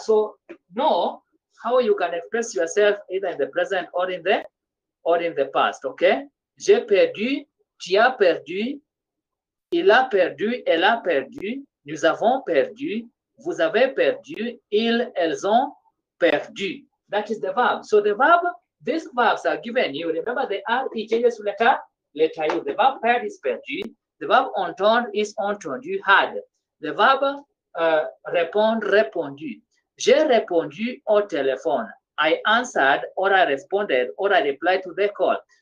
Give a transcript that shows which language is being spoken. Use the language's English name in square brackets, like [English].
[English] So know how you can express yourself either in the present or in the past, okay? [French] J'ai perdu, tu as perdu, il a perdu, elle a perdu, nous avons perdu, vous avez perdu, ils, elles ont perdu. [English] That is the verb. So the verb, these verbs are given you. Remember the R, it changes letter U. The verb perdu is perdu. The verb entendre is entendu, had. The verb répondre, répondu. [French] J'ai répondu au téléphone. [English] I answered, or I responded, or I replied to the call.